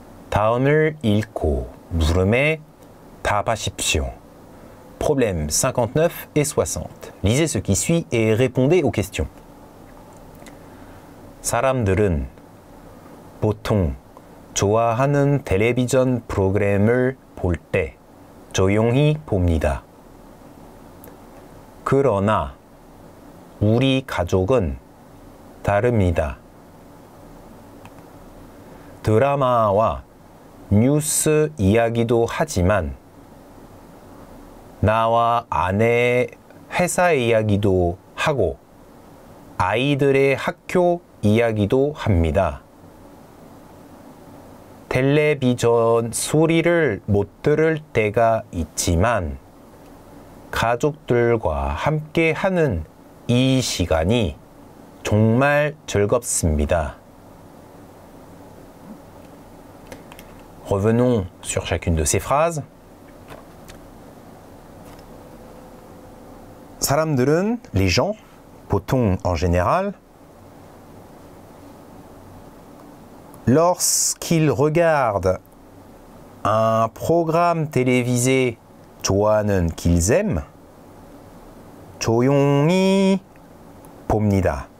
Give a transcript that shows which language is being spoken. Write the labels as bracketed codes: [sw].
[ko] 다음을 읽고 물음에 답하십시오. [fr] Problème 59 et 60. Lisez ce qui suit et répondez aux questions. [ko] 사람들은 보통 좋아하는 텔레비전 프로그램을 볼 때 조용히 봅니다. 그러나 우리 가족은 다릅니다. 드라마와 뉴스 이야기도 하지만 나와 아내의 회사 이야기도 하고 아이들의 학교 이야기도 합니다. 텔레비전 소리를 못 들을 때가 있지만 가족들과 함께 하는 이 시간이 정말 즐겁습니다. [fr] Revenons sur chacune de ces phrases. [ko] 사람들은 [fr] les gens, [ko] 보통 [fr] en général, lorsqu'ils regardent un programme télévisé [ko] 좋아하는 [fr] qu'ils aiment, [ko] 조용히 봅니다.